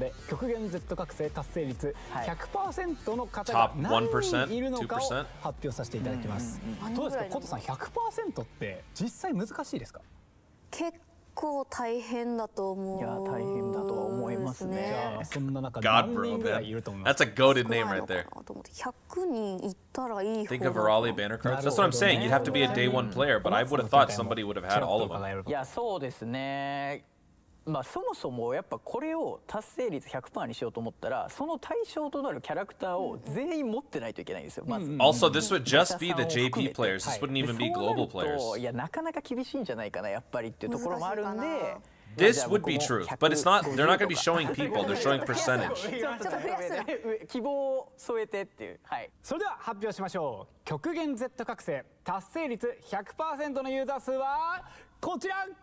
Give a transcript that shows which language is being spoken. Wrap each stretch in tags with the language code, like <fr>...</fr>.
<ja>極限 Z 覚醒達成率 100% の方が何人いるのかを発表させていただきます。どうですかコトさん、 100% って実際難しいですか？結構大変だと思う。いや、大変だと思いますね。そんな中何人ぐらいいると思います</ja> <en>。 That's a goated name right there.</en> <ja>100人いったらいい方。</ja> <en>Think of Arali banner cards. That's what I'm saying. You'd have to be a day one player, but I would have thought somebody would have had all of them.</en> <ja>いや、そうですね。まあ、そもそもやっぱこれを達成率 100% にしようと思ったら、その対象となるキャラクターを全員持ってないといけないんですよ、まず。</ja> <en>Also, this would just be the JP players. This wouldn't even be global players.</en> <ja>いや、なかなか厳しいんじゃないかな、やっぱりっていうところもあるんで。</ja> <en>This would be true, but it's not. They're not going to be showing people. They're showing percentage.</en> <ja>希望を添えてっていう。はい。それでは発表しましょう。極限 Z 覚醒達成率 100% のユーザー数はこちら。</ja>